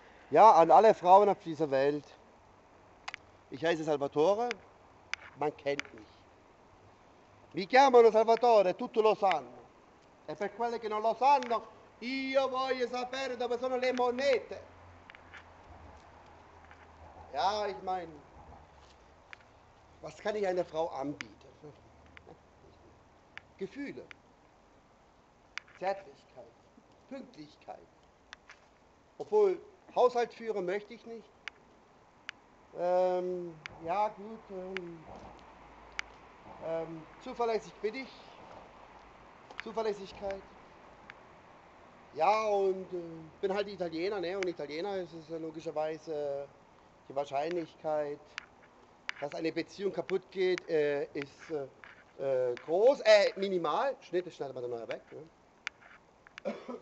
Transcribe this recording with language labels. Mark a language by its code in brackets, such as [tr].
[de] Ja, an alle Frauen auf dieser Welt. Ich heiße Salvatore, man kennt mich. [it] Mi chiamano Salvatore, tutti lo sanno. E per quelle che non lo sanno, io voglio sapere dove sono le monete. [de] Ja, ich meine, was kann ich einer Frau anbieten? Gefühle, Zärtlichkeit, Pünktlichkeit. Obwohl, Haushalt führen möchte ich nicht. Ja gut, zuverlässig bin ich, Zuverlässigkeit, ja und bin halt Italiener, ne, und Italiener ist es logischerweise die Wahrscheinlichkeit, dass eine Beziehung kaputt geht, ist groß, minimal, schneidet man dann noch weg, ne?